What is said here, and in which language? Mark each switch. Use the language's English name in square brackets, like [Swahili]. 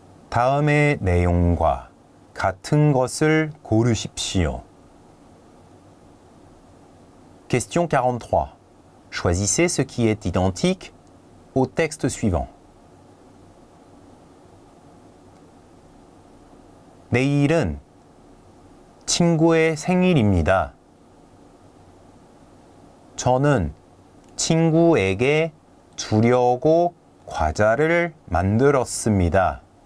[Korean] 다음의 내용과 같은 것을 고르십시오. [French] Question 43. Choisissez ce qui est identique au texte suivant. [Korean] 내일은 친구의 생일입니다. 저는 친구에게 주려고 과자를 만들었습니다.